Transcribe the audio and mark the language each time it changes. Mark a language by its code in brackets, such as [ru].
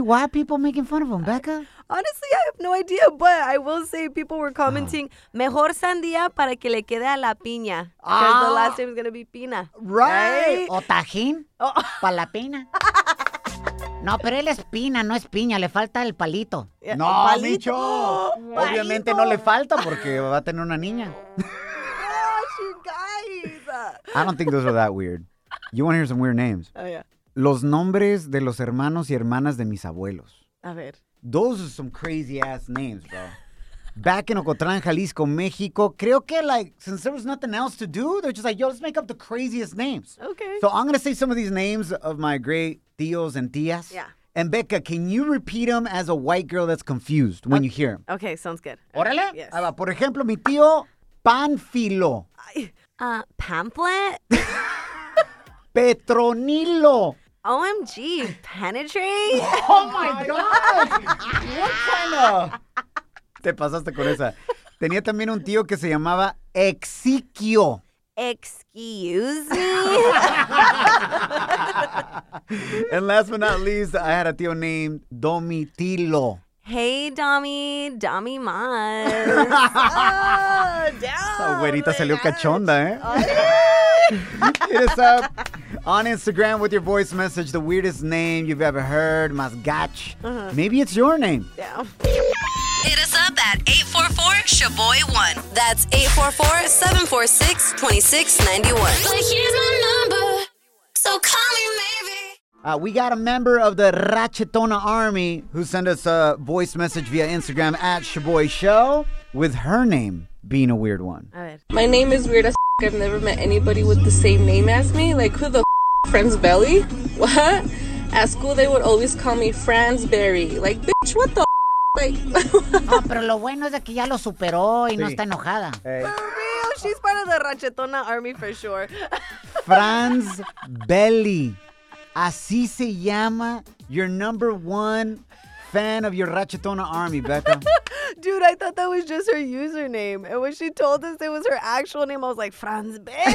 [en] Why are people making fun of him, Becca? Honestly, I have no idea, but I will say people were commenting, [es] mejor sandía para que le quede a la piña. [en] Because the last name is going to be Pina. Right. [es] O tajín para la pina. No, pero él es pina, no es piña. Le falta el palito. No, Micho. Obviamente no le falta porque va a tener una niña. [en] Gosh, you guys. I don't think those are that weird. You want to hear some weird names. Oh, yeah. [es] Los nombres de los hermanos y hermanas de mis abuelos. A ver. [en] Those are some crazy ass names, bro. Back in Ocotlán, Jalisco, México, [es] creo que, [en] like, since there was nothing else to do, they're just like, yo, let's make up the craziest names. Okay. So I'm going to say some of these names of my great tíos and tías. Yeah. And Becca, can you repeat them as a white girl that's confused when you hear them? Okay, sounds good. [es] Órale. Yes. Ahí va. Por ejemplo, mi tío, Panfilo. [en] Pamphlet? [es] Petronilo. [en] OMG, penetrate? Oh, my God. What kind of... [es] Te pasaste con esa. Tenía también un tío que se llamaba Exiquio. [en] Excuse me. And last but not least, I had a tío named Domitilo. Hey, Domi. Domi Mas. Oh, damn. [es] Esa güerita salió cachonda, ¿eh? [en] Hit us up on Instagram with your voice message, the weirdest name you've ever heard, Mas Gach. Uh-huh. Maybe it's your name. Yeah. Hit us up at 844-SHABOY1. That's 844-746-2691. But here's my number, so call me maybe. We got a member of the Ratchetona Army who sent us a voice message via Instagram at Shaboy Show with her name being a weird one. My name is weird as f***. I've never met anybody with the same name as me. Like, who the f***? Friends Belly? What? At school, they would always call me Fransberry. Like, bitch, what the f***? [es] Ah, oh, pero lo bueno es de que ya lo superó y sí. No está enojada. [en] Hey. For real, she's part of the Ratchetona Army for sure. Franz Belli, [es] así se llama [en] your number one fan of your Ratchetona Army, Becca. Dude, I thought that was just her username. And when she told us it was her actual name, I was like, Franz Belli?